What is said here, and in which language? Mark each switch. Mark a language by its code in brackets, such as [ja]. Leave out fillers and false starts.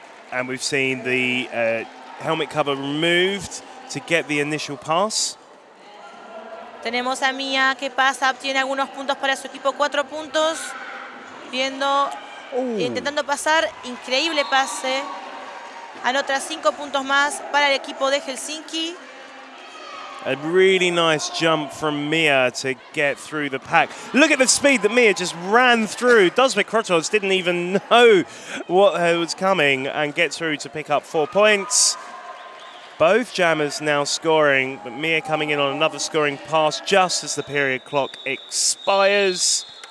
[en] And we've seen the helmet cover removed to get the initial pass. [es] Tenemos a Mia que pasa, obtiene algunos puntos para su equipo, 4 puntos. Viendo, intentando pasar, increíble pase. Anotra 5 puntos más para el equipo de Helsinki. [en] A really nice jump from Mia to get through the pack. Look at the speed that Mia just ran through. Dosvik Krotos didn't even know what was coming and get through to pick up 4 points. Both jammers now scoring, but Mia coming in on another scoring pass just as the period clock expires.